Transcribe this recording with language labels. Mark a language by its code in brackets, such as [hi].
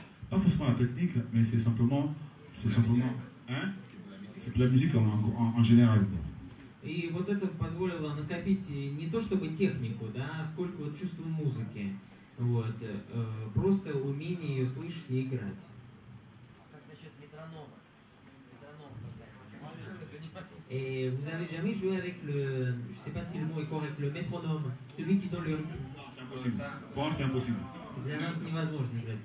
[fr] Pas forcément la technique, mais c'est simplement, c'est pour la musique en général. [ru] И вот это позволило накопить не то чтобы технику, да, сколько вот чувство музыки, вот, просто умение ее слышать и играть. А как насчет метронома? [fr] Et vous avez jamais joué avec le, je sais pas si le mot est correct, le métronome, celui qui donne le rythme. Non, c'est impossible. Pour moi, c'est impossible. C'est impossible de jouer avec